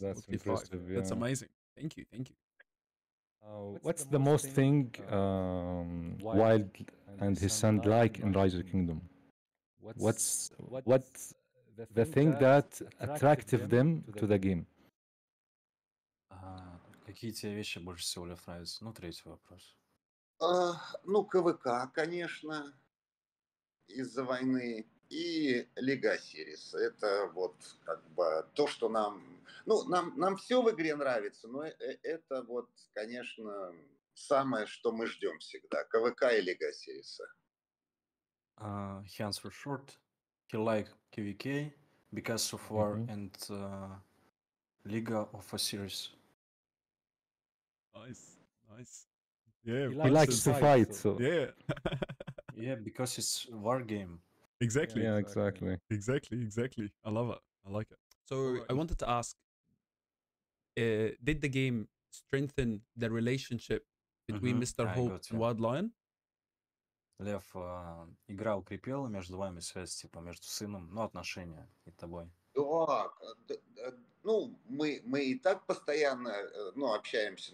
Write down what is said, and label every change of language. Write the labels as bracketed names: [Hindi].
[English] That's impressive. Yeah. That's amazing. Thank you. Thank you. What's the most thing Wild and his son like in Rise of Kingdom? What's the thing that attracted them to the game? [Russian] Какие тебе вещи больше всего нравятся? Ну, третий вопрос. Ну, КВК, конечно, из-за войны. И Лига Сирис. Это вот как бы то, что нам... Ну, нам все в игре нравится, но это вот, конечно, самое, что мы ждем всегда. КВК и Лига Сириса. [English] He answered short. He liked KVK because of War and Лига of Osiris. Nice. Yeah, he likes to fight. So. Yeah. Yeah, because it's war game. Exactly. Yeah, exactly. Exactly, exactly. I love it. I like it. So I wanted to ask, did the game strengthen the relationship between Mr.Hope and Wild Lion? [Russian] Лев, игра укрепила между вами связь, типа, между сыном, ну, отношения и тобой. Да, ну, мы и так постоянно, ну, общаемся.